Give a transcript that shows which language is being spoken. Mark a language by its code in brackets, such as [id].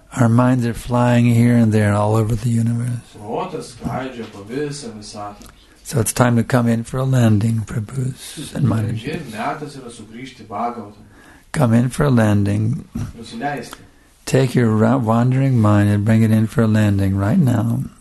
[en] Our minds are flying here and there and all over the universe. [lt] Protas skraidžia po visą visatą. [en] So it's time to come in for a landing, Prabhus and Maharajas. Come in for a landing. Take your wandering mind and bring it in for a landing right now.